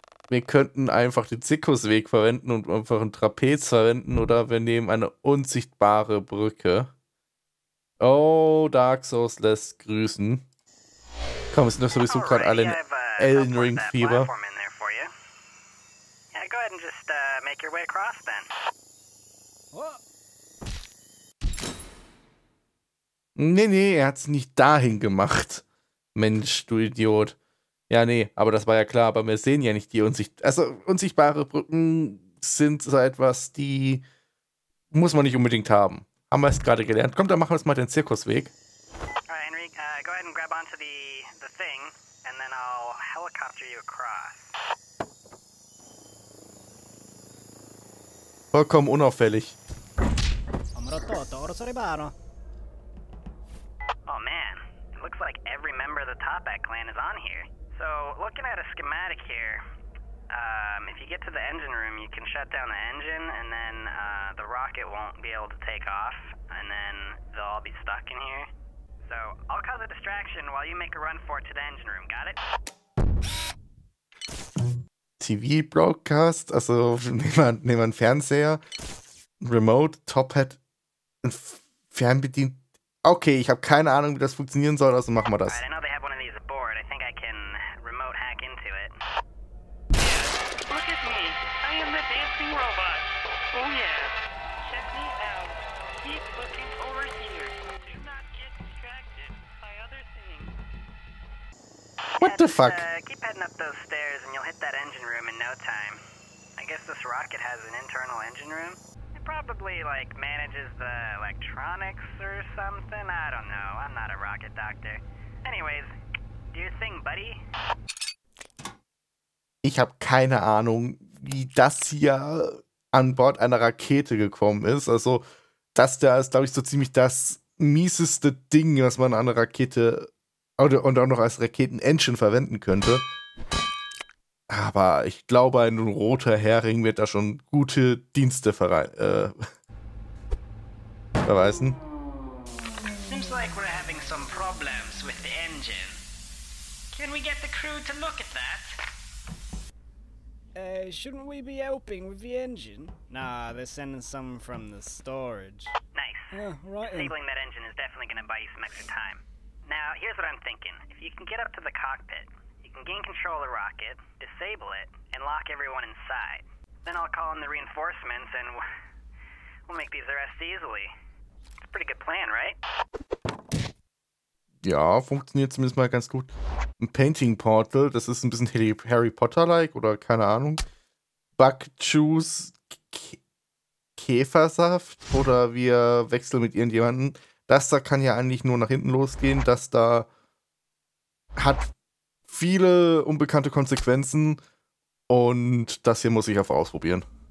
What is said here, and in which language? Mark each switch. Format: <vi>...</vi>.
<de>Wir könnten einfach den Zirkusweg verwenden und einfach ein Trapez verwenden oder wir nehmen eine unsichtbare Brücke. Oh, Dark Souls lässt grüßen. Komm, sind doch sowieso gerade alle in Elden Ring Fieber.</de> <en>Yeah, go ahead and just make your way across then.</en> <de>Nee, er hat's nicht dahin gemacht. Mensch, du Idiot. Ja, nee, aber das war ja klar, aber wir sehen ja nicht die unsichtbare Brücken sind so etwas, die muss man nicht unbedingt haben. haben wir es gerade gelernt. Komm, dann machen wir es mal den Zirkusweg.</de> <en>Alright, Enrique, go ahead and grab onto the thing, and then I'll helicopter you across.</en> <de>Vollkommen unauffällig.</de> <en>Oh man, it looks like every member of the Topak clan is on here. So, looking at a schematic here, if you get to the engine room, you can shut down the engine, and then the rocket won't be able to take off, and then they'll all be stuck in here. So, I'll cause a distraction while you make a run for it to the engine room, got it?</en> <de>TV-Broadcast, also nehmen wir einen Fernseher, Remote, Top-Hat, Fernbedient. Okay, ich habe keine Ahnung, wie das funktionieren soll, also machen wir das.</de> <en>Alright, I know they have one of these aboard. I think I can remote hack into it. Look at me. I am the dancing robot. Oh yeah. Check me out. Keep looking over here. Do not get distracted by other things. What the fuck? Keep heading up those stairs and you'll hit that engine room in no time. I guess this rocket has an internal engine room. Probably like manages the electronics or something. I don't know. I'm not a rocket doctor. Anyways, do your thing, buddy.</en> <de>Ich habe keine Ahnung, wie das hier an Bord einer Rakete gekommen ist. Also, das da ist, glaube ich, so ziemlich das mieseste Ding, was man an einer Rakete oder, und auch noch als Raketen-Engine verwenden könnte. Aber ich glaube, ein roter Hering wird da schon gute Dienste verweisen.</de> <en>Seems like we're having some problems with the engine. Can we get the crew to look at that? Shouldn't we be helping with the engine? Nah, they're sending some from the storage. Nice. Right. Disabling that engine is definitely gonna buy you some extra time. Now, here's what I'm thinking. If you can get up to the cockpit, can gain control of the rocket, disable it, and lock everyone inside. Then I'll call in the reinforcements and we'll make these arrests easily. It's a pretty good plan, right?</en> <de>Ja, funktioniert zumindest mal ganz gut. Ein Painting Portal, das ist ein bisschen Harry Potter-like oder keine Ahnung. Bug-Juice, Käfersaft oder wir wechseln mit irgendjemandem. Das da kann ja eigentlich nur nach hinten losgehen. Das da hat viele unbekannte Konsequenzen und das hier muss ich einfach ausprobieren.</de>